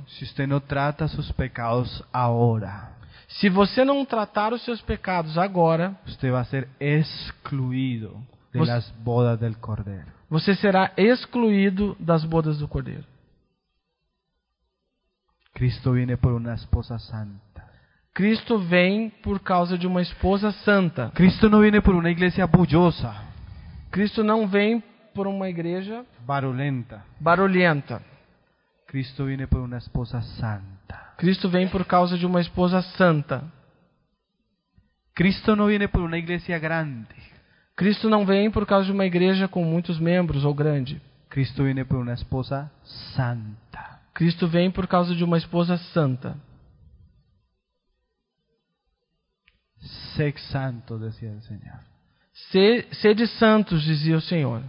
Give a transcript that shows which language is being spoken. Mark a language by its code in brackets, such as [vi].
[es] Si usted no trata sus pecados ahora. [pt] Se você não tratar os seus pecados agora, usted va a ser excluído de las bodas del Cordero. Você será excluído das bodas do Cordeiro. [es] Cristo viene por una esposa santa. [pt] Cristo vem por causa de uma esposa santa. Cristo não vem por uma igreja bulhosa. Cristo não vem por uma igreja barulhenta. Barulhenta. Cristo vem por uma esposa santa. Cristo vem por causa de uma esposa santa. Cristo não vem por uma igreja grande. Cristo não vem por causa de uma igreja com muitos membros ou grande. Cristo vem por uma esposa santa. Cristo vem por causa de uma esposa santa. [es] Sed santo, decía el Señor. [pt] Sede santos, dizia o Senhor.